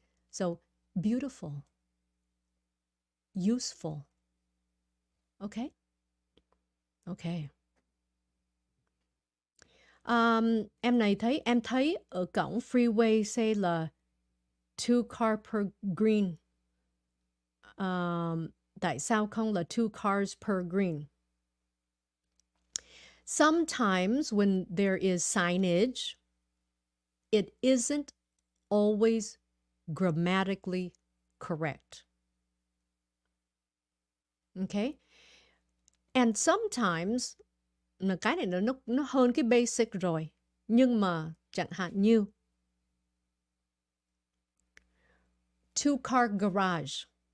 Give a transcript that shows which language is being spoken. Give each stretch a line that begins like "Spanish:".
English: So, beautiful. Useful. Okay? Okay.
Vietnamese: Em này thấy, em thấy ở cổng freeway say là two car per green. Tại sao không là two cars per green?
English: Sometimes when there is signage, it isn't always grammatically correct. Okay?
Vietnamese: And sometimes, cái này nó hơn cái basic rồi. Nhưng mà chẳng hạn như two car garage.